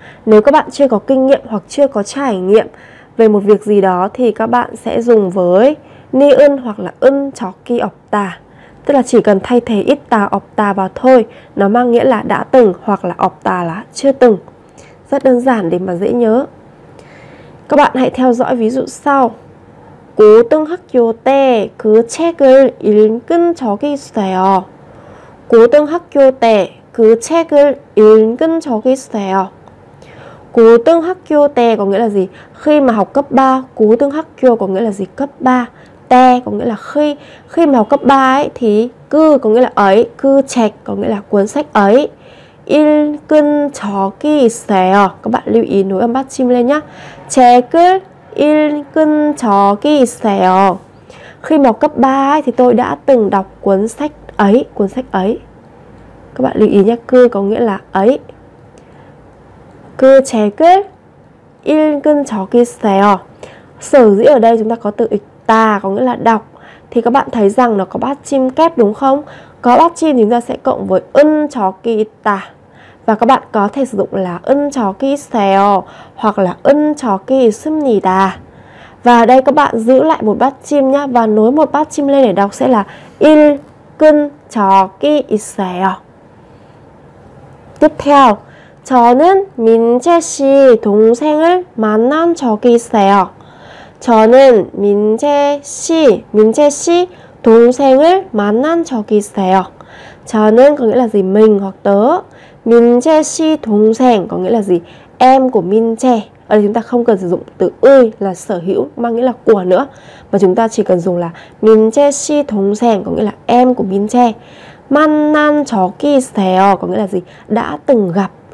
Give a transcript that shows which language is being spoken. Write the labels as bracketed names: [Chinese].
[Vietnamese] Nếu các bạn chưa có kinh nghiệm hoặc chưa có trải nghiệm về một việc gì đó thì các bạn sẽ dùng với ni ân hoặc là ân cho ki ọp tà. Tức là chỉ cần thay thế ít tà ọp tà vào thôi, nó mang nghĩa là đã từng hoặc là ọp tà là chưa từng. Rất đơn giản để mà dễ nhớ. Các bạn hãy theo dõi ví dụ sau. [Korean] 고등학교 때 그 책을 읽은 적이 있어요. 고등학교 때 그 책을 읽은 적이 있어요. [Vietnamese] 고등학교 때 có nghĩa là gì? Khi mà học cấp 3, 고등학교 có nghĩa là gì? Cấp 3. 때 có nghĩa là khi. Khi mà học cấp 3 ấy thì 그 có nghĩa là ấy, [Korean] 그 책 [Vietnamese] có nghĩa là cuốn sách ấy. [Korean] 읽은 적이 있어요. [Vietnamese] Các bạn lưu ý nối âm bát chim lên nhá. [Korean] 책을 읽은 적이 있어요. [Vietnamese] Khi mà cấp 3 ấy, thì tôi đã từng đọc cuốn sách ấy. Cuốn sách ấy. Các bạn lưu ý nhé, 그 có nghĩa là ấy. [Korean] 그 책을 읽은 적이 있어요. [Vietnamese] Sở dĩ ở đây chúng ta có từ 읽다 có nghĩa là đọc, thì các bạn thấy rằng nó có bát chim kép đúng không? Có bát chim chúng ta sẽ cộng với 은 적이 있다. Và các bạn có thể sử dụng là [Korean] 은 적이 있어요 [Vietnamese] hoặc là 은 적이 있습니다. Và ở đây các bạn giữ lại một bát chim nhé và nối một bát chim lên để đọc sẽ là [Korean] 읽은 적이 있어요. [Vietnamese] Tiếp theo, [Korean] 저는 민재 씨 동생을 만난 적이 있어요. 저는 민재 씨 동생을 만난 적이 있어요. [Vietnamese] 저는 có nghĩa là gì? Mình hoặc tớ. 민재 씨 동생 có nghĩa là gì? Em của 민재 Ở đây chúng ta không cần sử dụng từ ơi là sở hữu mang nghĩa là của nữa, mà chúng ta chỉ cần dùng là 민채 씨 동생, có nghĩa là em của 민채. [Korean] 만난 적이 있어요 [Vietnamese] có nghĩa là gì? Đã từng gặp.